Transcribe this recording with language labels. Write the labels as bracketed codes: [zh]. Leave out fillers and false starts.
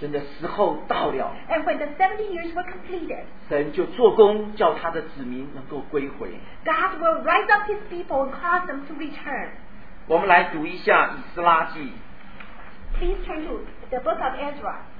[zh] 真的时候到了 [en] andWhen the 70 years were completed, [zh] 神就做工叫他的子民能够归回。 [en] God will raise up his people and cause them to return. [zh] 我们来读一下以斯拉记。 [en] Please turn to the book of Ezra.